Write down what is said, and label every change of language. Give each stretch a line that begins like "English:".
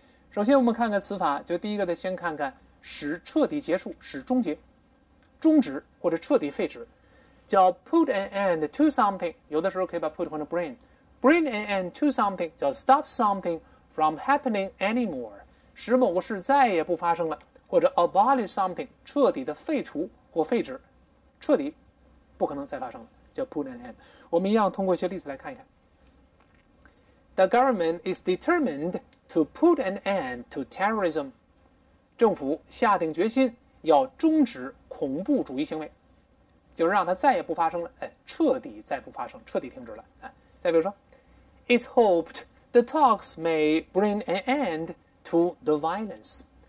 Chinese: 首先我们看看词法，就第一个得先看看使彻底结束、使终结、终止或者彻底废止，叫
English: put an end to something，
Chinese: 有的时候可以把 put 换成 bring，
English: bring an end to something
Chinese: 叫
English: stop something from happening anymore，
Chinese: 使某个事再也不发生了，或者
English: abolish something
Chinese: 彻底的废除或废止，彻底不可能再发生了，叫 put an end。我们一样通过一些例子来看一看。
English: The government is determined to put an end to terrorism.
Chinese: 政府下定决心要终止恐怖主义行为，就是让它再也不发生了，哎，彻底再不发生，彻底停止了。哎，再比如说
English: ，It's hoped the talks may bring an end to the violence.